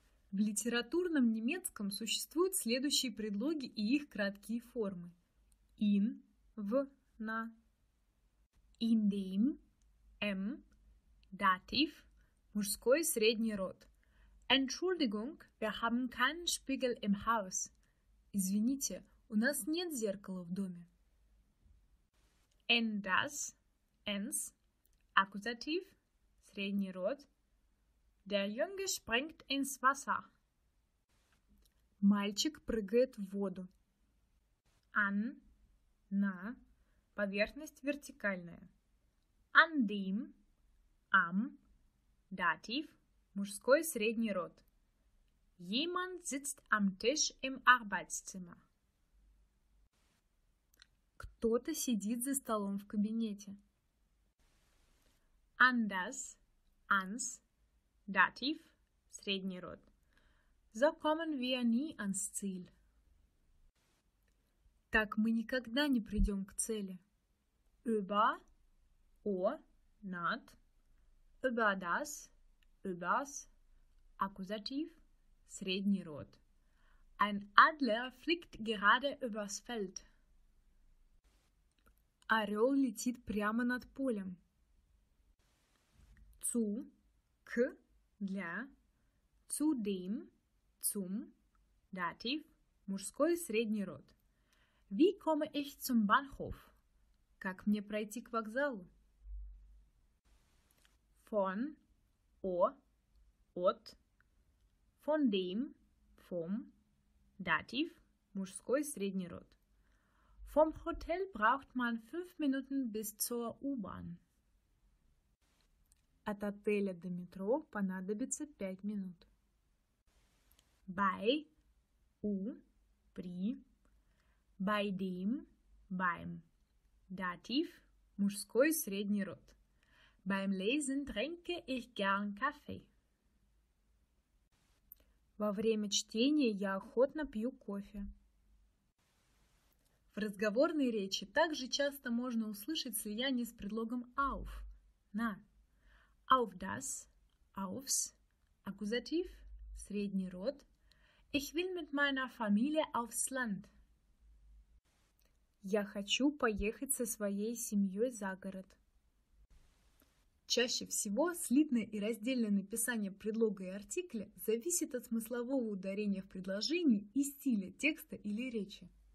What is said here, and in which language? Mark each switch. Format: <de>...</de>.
<ru>В литературном немецком существуют следующие предлоги и их краткие формы.</ru> <de>In –</de> <ru>в, на.</ru> <de>In dem – m.</de> <ru>Dativ – мужской средний род.</ru> <de>Entschuldigung, wir haben keinen Spiegel im Haus.</de> <ru>Извините, у нас нет зеркала в доме.</ru> <de>In das – ens.</de> <ru>Akkusativ – средний род.</ru> <de>Der Junge springt ins Wasser.</de> <ru>Мальчик прыгает в воду. An – на. Поверхность вертикальная.</ru> <de>An dem – am.</de> <ru>Dativ – мужской средний род.</ru> <de>Jemand sitzt am Tisch im Arbeitszimmer.</de> <ru>Кто-то сидит за столом в кабинете.</ru> <de>An das – ans.</de> <ru>Dativ – средний род.</ru> <de>So kommen wir nie ans Ziel.</de> <ru>Так мы никогда не придем к цели.</ru> <de>Über, o, над. Über das, übers.</de> <ru>Akkusativ, средний род.</ru> <de>Ein Adler fliegt gerade übers Feld.</de> <ru>Орел летит прямо над полем.</ru> <de>Zu,</de> <ru>к, для.</ru> <de>Zu dem.</de> <ru>Zum, Dativ, мужской средний род.</ru> <de>Wie komme ich zum Bahnhof?</de> <ru>Как мне пройти к вокзалу?</ru> <de>Von, o, от. Von dem, vom, Dativ,</de> <ru>мужской средний род.</ru> <de>Vom Hotel braucht man 5 Minuten bis zur U-Bahn.</de> <ru>От отеля до метро понадобится 5 минут.</ru> <de>Bei, u, при, bei dem, beim.</de> <ru>Dativ, мужской средний род.</ru> <de>Beim Lesen trinke ich gern Kaffee.</de> <ru>Во время чтения я охотно пью кофе. В разговорной речи также часто можно услышать слияние с предлогом auf, на.</ru> <de>Auf das, aufs,</de> <ru>аккузатив, средний род.</ru> <de>Ich will mit meiner Familie aufs Land.</de> <ru>Я хочу поехать со своей семьей за город. Чаще всего слитное и раздельное написание предлога и артикля зависит от смыслового ударения в предложении и стиля текста или речи.</ru>